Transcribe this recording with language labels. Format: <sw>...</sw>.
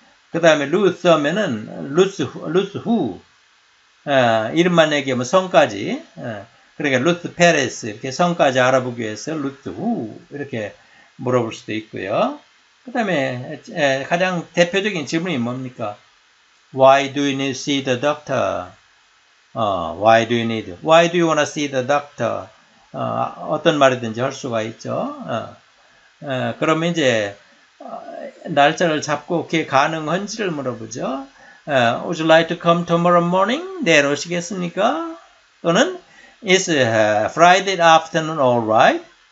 <ko>그 다음에 Lose 하면은</ko> <en>Lose who?</en> <ko>이름만 얘기하면 성까지 그러니까 루스 페레스 이렇게 성까지 알아보기 위해서 루스 후 이렇게 물어볼 수도 있고요. 그 다음에 가장 대표적인 질문이 뭡니까?</ko> <en>Why do you need to see the doctor? Why do you need? Why do you want to see the doctor?</en> <ko>어떤 말이든지 할 수가 있죠. 그러면 이제 날짜를 잡고 그게 가능한지를 물어보죠.</ko> <en>Would you like to come tomorrow morning?</en> <ko>내일 오시겠습니까? 또는</ko> <en>Is Friday afternoon all right?</en>